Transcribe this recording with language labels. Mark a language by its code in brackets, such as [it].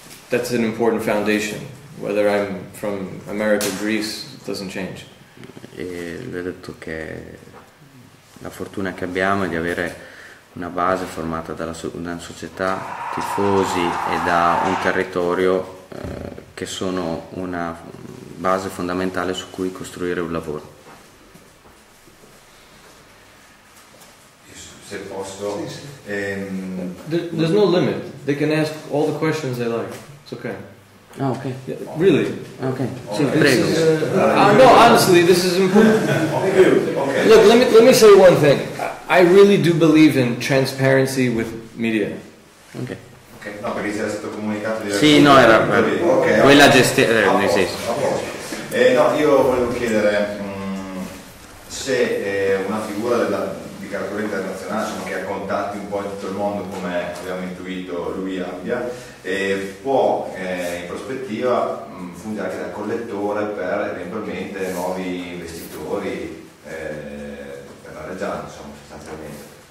[en] That's an important foundation. Whether I'm from America or Greece, it doesn't change. [it] E lui ha detto che la fortuna che abbiamo è di avere una base formata da una società, tifosi e da un territorio che sono una base fondamentale su cui costruire un lavoro. Se posso, sì, sì. [en] There's no limit. They can ask all the questions they like. It's okay. Ah, oh, okay. Yeah, really? [it] Okay. Sì, prego. [en] No, honestly, this is important. Okay. Look, let me say one thing. I really do believe in transparency with media. Okay. [it] No, perché si era stato comunicato di... Sì, no, era okay, quella gestione, nel senso. A posto. No, io volevo chiedere se una figura di carattere internazionale, insomma, che ha contatti un po' in tutto il mondo, come abbiamo intuito lui abbia, può in prospettiva fungere anche da collettore per eventualmente nuovi investitori per la Reggiana, insomma, sostanzialmente.